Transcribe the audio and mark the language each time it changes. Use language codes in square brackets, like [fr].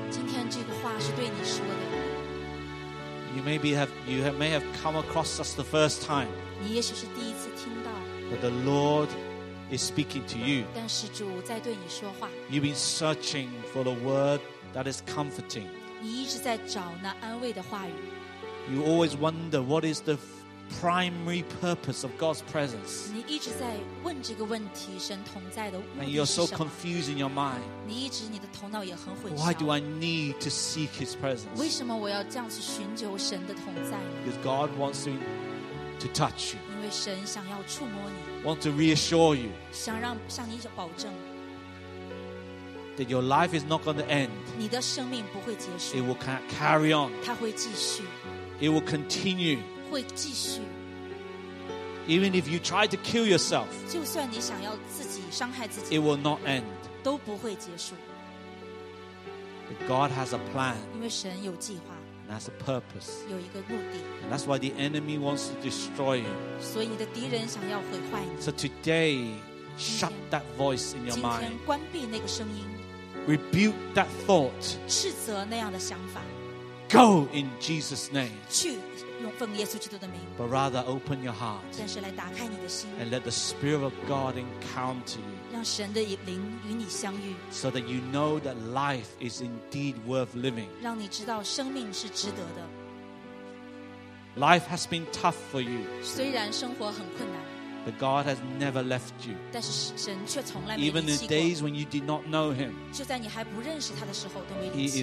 [zh] 今天这个话是对你说的。 [en] You may have come across us the first time. [zh] 你也许是第一次听到。 [en] But the Lord is speaking to you. [zh] 但是主在对你说话。 [en] You've been searching for the word that is comforting. [zh] 你一直在找那安慰的话语。 [en] You always wonder what is the primary purpose of God's presence. [zh] 你一直在问这个问题，神同在的目的是什么？ [en] And you're so confused in your mind. [zh] 你一直你的头脑也很混淆。 [en] Why do I need to seek His presence? [zh] 为什么我要这样去寻求神的同在？ [en] Because God wants to touch you. [zh] 因为神想要触摸你。 [en] Want to reassure you. [zh] 想你保证。 [en] That your life is not going to end. [zh] 你的生命不会结束。 [en] It will carry on. [zh] 它会继续。 [en] It will continue. [zh] 会继续。 [en] Even if you try to kill yourself, [zh] 就算你想要自己伤害自己， [en] it will not end. [zh] 都不会结束。 [en] But God has a plan. [zh] 因为神有计划。 [en] And has a purpose. [zh] 有一个目的。 [en] And that's why the enemy wants to destroy you. [zh] 所以你的敌人想要毁坏你。 [en] So today, shut that voice in your mind. [zh] 今天关闭那个声音。 [en] Rebuke that thought. [zh] 斥责那样的想法。 [en] Go in Jesus' name. [zh] 去用奉耶稣基督的名。 [en] But rather open your heart. [zh] 但是来打开你的心。 [en] And let the Spirit of God encounter you. [zh] 让神的灵与你相遇。 [en] So that you know that life is indeed worth living. [zh] 让你知道生命是值得的。 [en] Life has been tough for you. [zh] 虽然生活很困难。 [en] But God has never left you. [zh] 但是神却从来没离弃过。 [en] Even in days when you did not know Him. [zh] 就在你还不认识他的时候都没离弃。